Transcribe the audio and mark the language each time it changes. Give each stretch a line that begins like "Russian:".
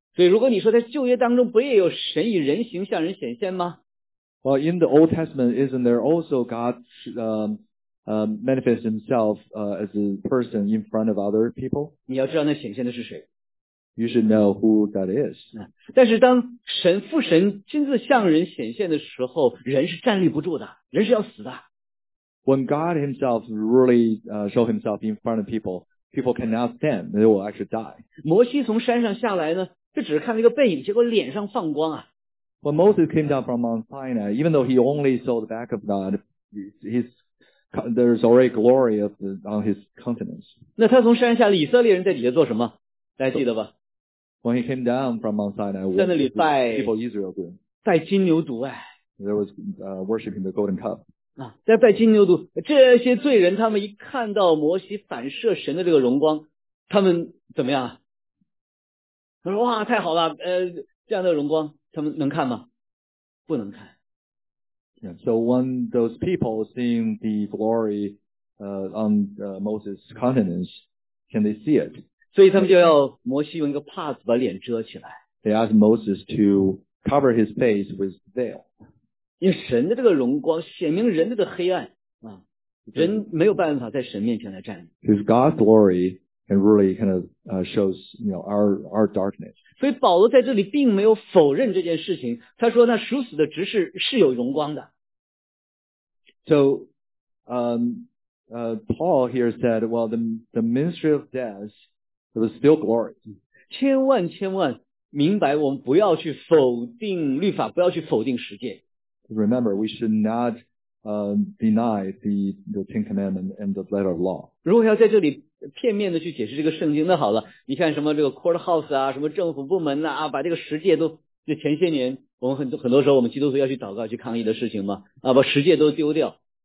Chinese: 所以如果你说在旧约当中不也有神以人形向人显现吗？
English: Well, in the Old Testament, isn't there also God manifest himself as a person in front of other people?
Chinese: 你要知道那显现的是谁。
English: You should know who that is.
Chinese: 但是当神父神亲自向人显现的时候，人是站立不住的，人是要死的。
English: When God himself really show himself in front of people, people cannot stand, they will actually die.
Chinese: 摩西从山上下来呢，就只是看了一个背影，结果脸上放光啊。
English: When Moses came down from Mount Sinai, even though he only saw the back of God, there's already glory of on his countenance.
Chinese: 那他从山下来，以色列人在底下做什么？大家记得吧
English: ？When he came down from Mount Sinai,
Chinese: 在那里拜
English: people Israel doing
Chinese: 拜金牛犊哎。
English: There was worshiping the golden cup.
Chinese: 啊，在拜金牛犊，这些罪人他们一看到摩西反射神的这个荣光，他们怎么样？他说哇，太好了，这样的荣光。他们能看吗？不能看。
English: Yeah, so when those people seeing the glory on Moses' countenance, can they see it?
Chinese: 所以他们就要摩西用一个帕子把脸遮起来。
English: They ask Moses to cover his face with veil.
Chinese: 因为神的这个荣光显明人的黑暗啊，人没有办法在神面前来站立。
English: Because God's glory can really kind of shows you know our darkness.
Chinese: 所以保罗在这里并没有否认这件事情，他说那属死的执事是有荣光的。
English: So, Paul here said, well, the ministry of death, there was still glory.
Chinese: 千万千万明白，我们不要去否定律法，不要去否定十诫。
English: Remember, we should not deny the Ten Commandments and the letter of law.
Chinese: 如果要在这里片面的去解释这个圣经，那好了，你看什么这个 courthouse 啊，什么政府部门 啊，把这个十诫都，就前些年我们很多时候我们基督徒要去祷告去抗议的事情嘛，啊，把十诫都丢掉。